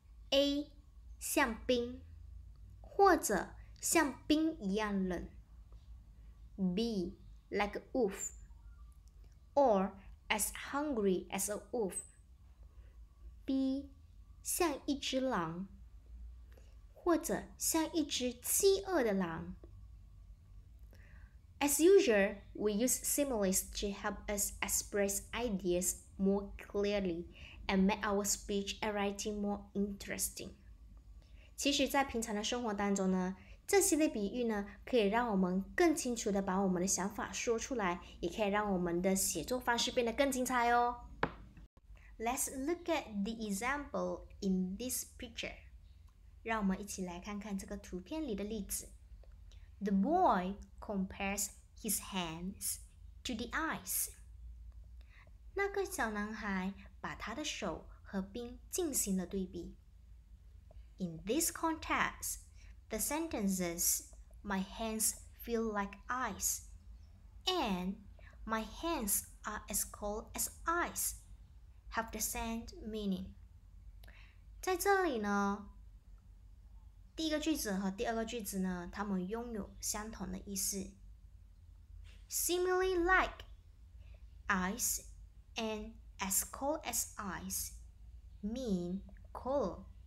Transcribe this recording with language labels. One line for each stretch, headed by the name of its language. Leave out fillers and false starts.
Chinese: A, 像冰，或者像冰一样冷。
English: B, like a wolf, or as hungry as a wolf.
Chinese: B, 像一只狼，或者像一只饥饿的狼。
English: As usual, we use similes to help us express ideas more clearly and make our speech and writing more interesting.
Chinese: 其实在平常的生活当中呢，这些的比喻呢，可以让我们更清楚地把我们的想法说出来，也可以让我们的写作方式变得更精彩哦。
English: Let's look at the example in this picture.
Chinese: 让我们一起来看看这个图片里的例子。
English: The boy compares his hands to the ice.
Chinese: 那个小男孩把他的手和冰进行了对比。
English: In this context, the sentences My hands feel like ice and My hands are as cold as ice have the same meaning.
Chinese: 在这里呢，第一个句子和第二个句子呢，它们拥有相同的意思。
English: Similarly, like ice and as cold as ice mean cold.